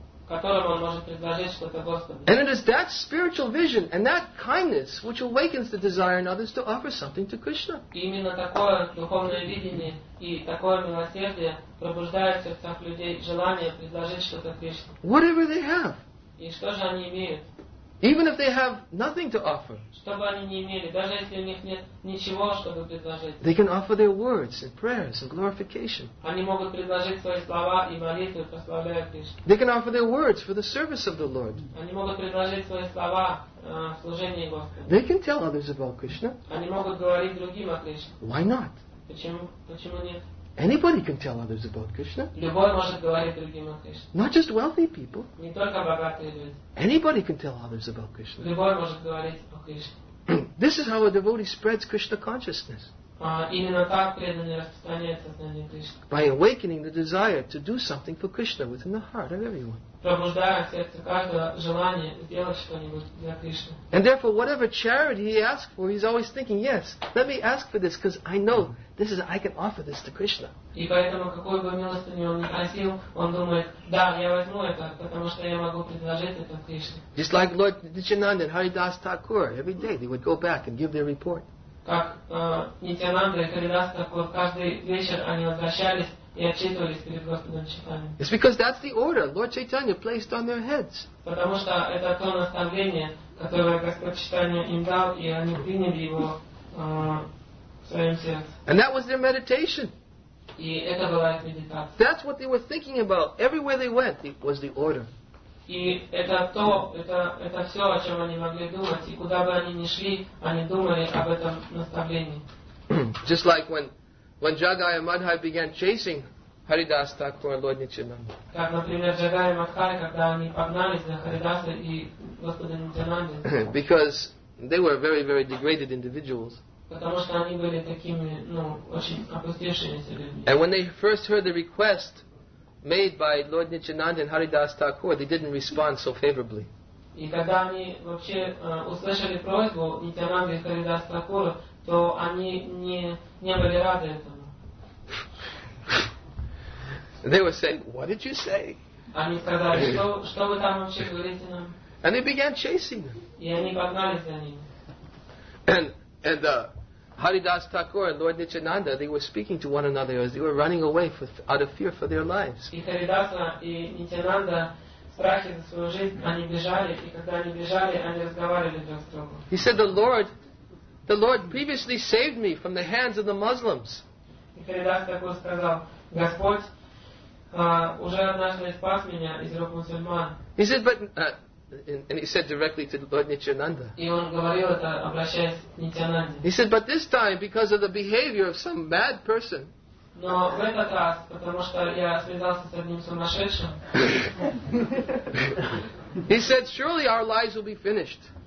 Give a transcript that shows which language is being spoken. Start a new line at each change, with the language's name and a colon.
English: And it is that spiritual vision and that kindness which awakens the desire in others to offer something to Krishna.
Russian: Именно такое духовное видение и такое милосердие пробуждает в сердцах людей желание предложить что-то Кришне.
English: Whatever they have.
Russian: И что же они имеют?
English: Even if they have nothing to offer.
Russian: Что бы они ни имели, даже если у них нет ничего, чтобы предложить.
English: They can offer their words and prayers and glorification.
Russian: Они могут предложить свои слова и молитвы, прославляя Кришну.
English: They can offer their words for the service of the Lord.
Russian: Они могут предложить свои слова в служении Господу.
English: They can tell others about Krishna.
Russian: Они могут говорить другим о Кришне.
English: Why not?
Russian: Почему нет?
English: Anybody can tell others about Krishna.
Russian: Любой может говорить другим о Кришне.
English: Not just wealthy people.
Russian: Не только богатые люди.
English: Anybody can tell others about Krishna.
Russian: Любой может говорить о Кришне.
English: This is how a devotee spreads Krishna consciousness.
Russian: Именно так преданный распространяет сознание Кришны.
English: By awakening the desire to do something for Krishna within the heart of everyone.
Russian: Пробуждая в сердце каждого желание сделать что-нибудь для Кришны.
English: And therefore, whatever charity he asks for, he's always thinking, yes, let me ask for this because I know this is I can offer this to Krishna.
Russian: И поэтому какую бы милостыню он ни просил, он думает, да, я возьму это, потому что я могу предложить это Кришне.
English: Just like Lord Nityananda and Haridas Thakur, every day they would go back and give their report.
Russian: Как Нитянанда и Харидас Такур, каждый вечер они возвращались и отчитывались перед Господом Чайтаньей.
English: It's because that's the order Lord Chaitanya placed on their heads.
Russian: Потому что это то наставление, которое Господь Чайтанья им дал, и они приняли его в своем сердце.
English: And that was their meditation. That's what they were thinking about. Everywhere they went, it was the order.
Russian: И это все, о чем они могли думать. И куда бы они ни шли, они думали об этом наставлении.
English: Just like when Jagaya Madhai began chasing Haridas Thakur and Lord Nityananda.
Russian: Как, например, Jagaya Madhai, когда они погнались за Харидаса и Господом Нитянандой.
English: Because they were very, very degraded individuals.
Russian: Потому что они были такими, ну, очень опустившимися людьми.
English: And when they first heard the request made by Lord Nityananda and Haridas Thakur, they didn't respond so favorably.
Russian: И когда они вообще услышали просьбу Нитянанды и Харидас Такур, то они не были рады этому.
English: They were saying, "What did you say?"
Russian: Они сказали, что вы там вообще говорите нам?
English: And they began chasing them.
Russian: И они погнались за ними.
English: And Haridas Thakur and Lord Nityananda, they were speaking to one another as they were running away out of fear for their lives.
Russian: И Харидаса и Нитянанда в страхе за свою жизнь, они бежали, и когда они бежали, они разговаривали друг с другом.
English: He said, the Lord previously saved me from the hands of the Muslims.
Russian: И Харидас Такур сказал, Господь уже однажды спас меня из рук мусульман.
English: He said, And he said directly to Lord Nityananda. He said, but this time, because of the behavior of some mad person, he said, surely our lives will be finished.